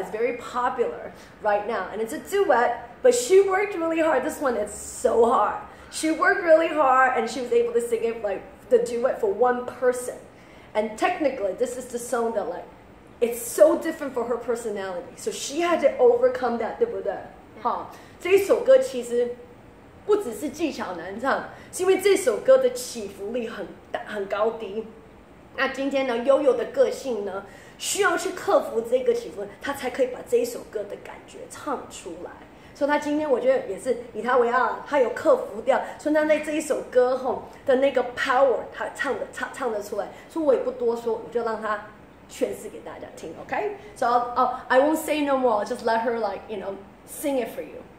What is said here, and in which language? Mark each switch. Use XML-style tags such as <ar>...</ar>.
<en>It's very popular right now, and it's a duet. But she worked really hard. This one is so hard. She worked really hard and she was able to sing it, like the duet for one person. And technically, this is the song that like, it's so different for her personality. So she had to overcome that,</en> <zh>对不对?</zh> <en>Yeah. Huh?</en> <zh>这一首歌其实不只是技巧难唱，是因为这首歌的起伏力很大，很高低。那今天呢，悠悠的个性呢，需要去克服这个起伏，她才可以把这一首歌的感觉唱出来。所以她今天我觉得也是以她为傲，她有克服掉，所以她在这一首歌后的那个 power， 她唱得出来。所以我也不多说，我就让她诠释给大家听 ，OK？</zh> <en>So I won't say no more. I'll just let her like you know sing it for you.</en>